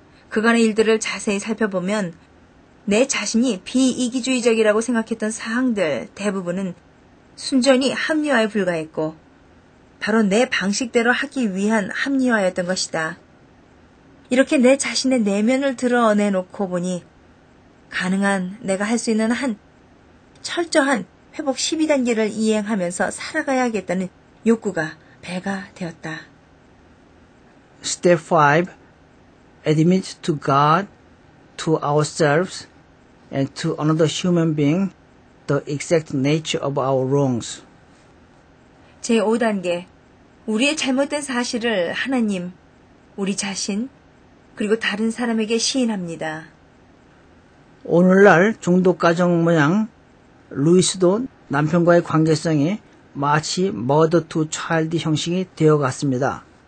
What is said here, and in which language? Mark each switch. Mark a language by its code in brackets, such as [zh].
[ko] 그간의 일들을 자세히 살펴보면 내 자신이 비이기주의적이라고 생각했던 사항들 대부분은 순전히 합리화에 불과했고 바로 내 방식대로 하기 위한 합리화였던 것이다. 이렇게 내 자신의 내면을 드러내놓고 보니 가능한 내가 할 수 있는 한 철저한 회복 12단계를 이행하면서 살아가야겠다는 욕구가 배가 되었다. [en] Step 5. Admit to God, to ourselves, and to another human being the exact nature of our wrongs. [ko] 제5단계. 우리의 잘못된 사실을 하나님, 우리 자신, 그리고 다른 사람에게 시인합니다. 오늘날 중독가정 모양 루이스도 남편과의 관계성이 마치 [en] mother to child [ko] 형식이 되어갔습니다.